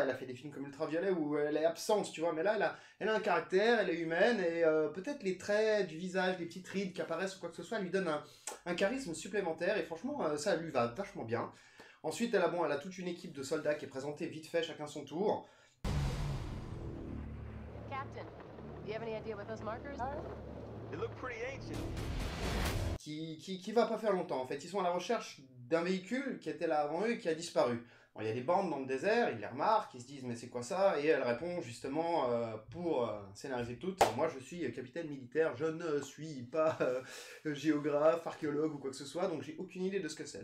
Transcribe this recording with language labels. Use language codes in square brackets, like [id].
[fr] Elle a fait des films comme Ultraviolet où elle est absente, tu vois. Mais là, elle a un caractère, elle est humaine et peut-être les traits du visage, les petites rides qui apparaissent ou quoi que ce soit, lui donnent un charisme supplémentaire. Et franchement, ça lui va vachement bien. Ensuite, elle a toute une équipe de soldats qui est présentée vite fait, chacun son tour. [en] Captain, do you have any idea what those markers are? They look pretty ancient. [fr] Qui va pas faire longtemps en fait. Ils sont à la recherche d'un véhicule qui était là avant eux et qui a disparu. Bon, il y a des bandes dans le désert, ils les remarquent, ils se disent mais c'est quoi ça? Et elle répond justement pour scénariser tout, moi je suis capitaine militaire, je ne suis pas géographe, archéologue ou quoi que ce soit, donc j'ai aucune idée de ce que c'est.